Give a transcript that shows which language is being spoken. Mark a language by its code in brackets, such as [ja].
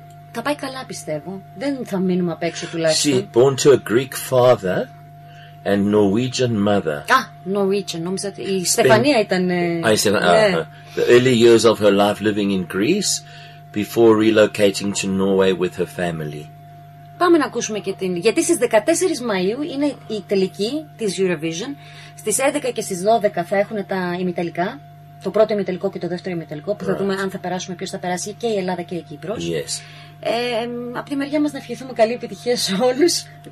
[el] Θα πάει καλά, πιστεύω. Δεν θα μείνουμε απ' έξω τουλάχιστον. [en] She's born to a Greek father and Norwegian mother. Α, Norwegian. [el] Νόμιζα ότι η Στεφανία ήταν. [en] The early years of her life living in Greece before relocating to Norway with her family. [el] Πάμε να ακούσουμε και την. Γιατί στις 14 Μαΐου είναι η τελική της Eurovision. Στις 11 και στις 12 θα έχουν τα ημιτελικά. Το πρώτο ημιτελικό και το δεύτερο ημιτελικό, που θα δούμε αν θα περάσουμε, ποιος θα περάσει, και η Ελλάδα και η Κύπρος. [en] Yes. [el] Από τη μεριά μας να ευχηθούμε καλή επιτυχία σε όλους.